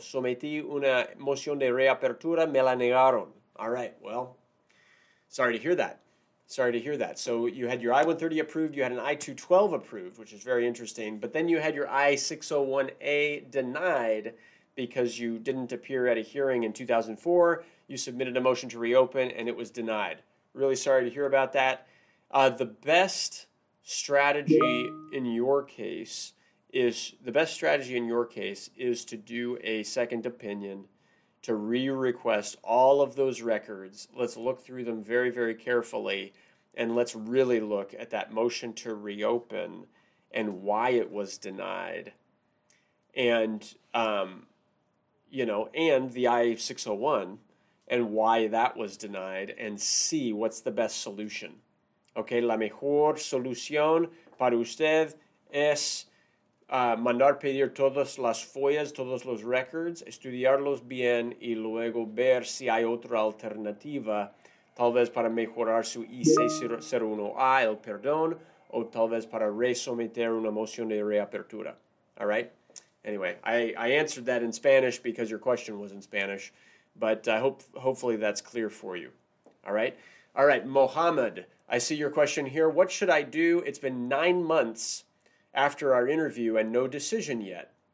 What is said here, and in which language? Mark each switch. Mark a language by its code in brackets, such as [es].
[es] Sometí una moción de reapertura, me la negaron. [en] All right, well, sorry to hear that. Sorry to hear that. So you had your I-130 approved, you had an I-212 approved, which is very interesting, but then you had your I-601A denied because you didn't appear at a hearing in 2004. You submitted a motion to reopen, and it was denied. Really sorry to hear about that. The best strategy in your case is to do a second opinion, to re-request all of those records. Let's look through them very, very carefully, and let's really look at that motion to reopen and why it was denied. And, and the I-601 and why that was denied, and see what's the best solution. [es] Okay, la mejor solución para usted es mandar pedir todas las follas, todos los records, estudiarlos bien y luego ver si hay otra alternativa, tal vez para mejorar su I-601A, el perdón, o tal vez para resometer una moción de reapertura. [en] All right? Anyway, I answered that in Spanish because your question was in Spanish, but hopefully that's clear for you. All right? All right, Mohammed, I see your question here. What should I do? It's been 9 months after our interview and no decision yet.